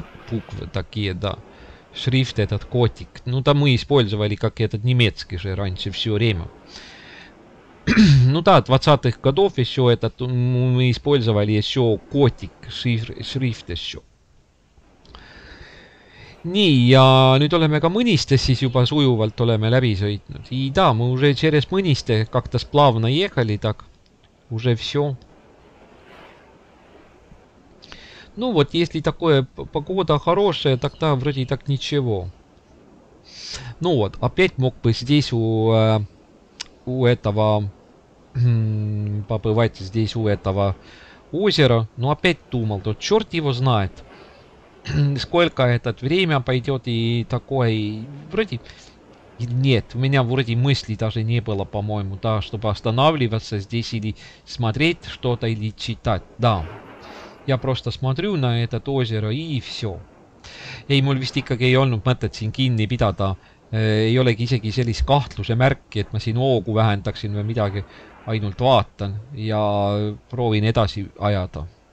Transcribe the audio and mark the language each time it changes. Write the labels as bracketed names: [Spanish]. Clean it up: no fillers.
[Russian] буквы такие, да. Шрифт этот котик. Ну, там мы использовали как этот немецкий же раньше все время. Ну да, 20-х годов еще этот мы использовали еще котик, шрифт еще. [Estonian] Nii, ja nüüd oleme ka mõnistes siis juba sujuvalt oleme läbi sõitnud. [Russian] И да, мы уже через мõniste как-то сплавно ехали, так уже все. Ну вот, если такое погода хорошая, тогда вроде так ничего. Ну вот, опять мог бы здесь у этого побывать здесь у этого озера, но опять думал, то черт его знает. Сколько этот время пойдет и такое, вроде нет, у меня вроде мысли даже не было, по-моему, да, чтобы останавливаться здесь или смотреть что-то или читать, да. Я просто смотрю на это озеро и все. [Estonian] Ei mul vist ikkagi ei olnud mõtet siin kinni pidada, ei olegi isegi sellist kahtluse märki, et ma siin hoogu vähendaksin või midagi, ainult vaatan ja proovin edasi ajada.